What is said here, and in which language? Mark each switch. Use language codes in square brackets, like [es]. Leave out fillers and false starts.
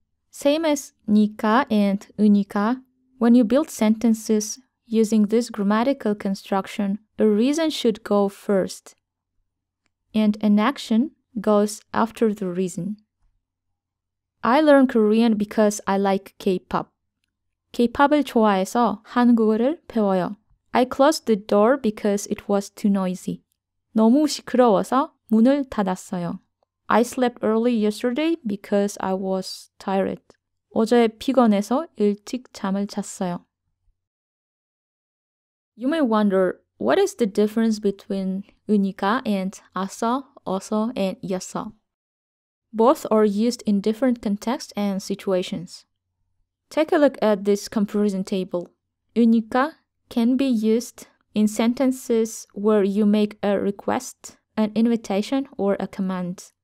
[en] Same as 니까 and 으니까, when you build sentences using this grammatical construction, a reason should go first, and an action goes after the reason. I learn Korean because I like K-pop. [ko] K-pop을 좋아해서 한국어를 배워요. [en] I closed the door because it was too noisy. [ko] 너무 시끄러워서 문을 닫았어요. [en] I slept early yesterday because I was tired. [ko] 어제 피곤해서 일찍 잠을 잤어요. [en] You may wonder, what is the difference between 으니까 and 아서, 어서, and 여서? Both are used in different contexts and situations. Take a look at this comparison table. 으니까 can be used in sentences where you make a request, an invitation, or a command.